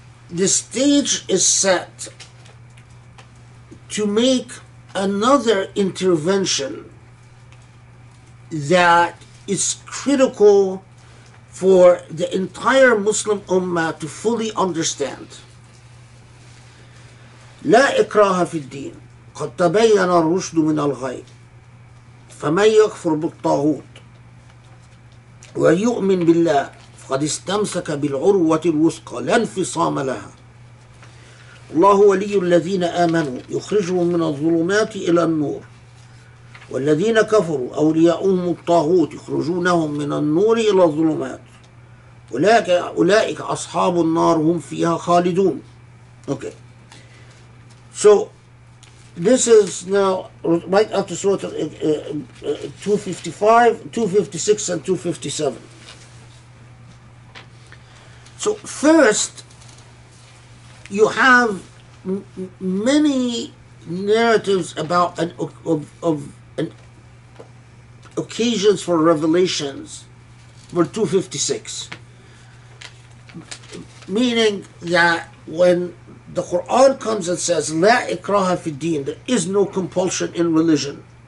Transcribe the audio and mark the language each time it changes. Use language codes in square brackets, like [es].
[en] the stage is set to make another intervention that is critical for the entire Muslim Ummah to fully understand. [ar] لا إكراه في الدين قد تبين الرشد من الغي فمن يكفر بالطاغوت ويؤمن بالله فقد استمسك بالعروة الوثقى لا انفصام لها. الله ولي الذين آمنوا يخرجهم من الظلمات إلى النور والذين كفروا أولياؤهم الطاغوت يخرجونهم من النور إلى الظلمات أولئك أصحاب النار هم فيها خالدون. [en] Okay. So this is now right after Surah 255, 256, and 257. So first you have many narratives about an occasions for revelations for 256, meaning that when the Quran comes and says [ar] La ikraha fi din, [en] there is no compulsion in religion,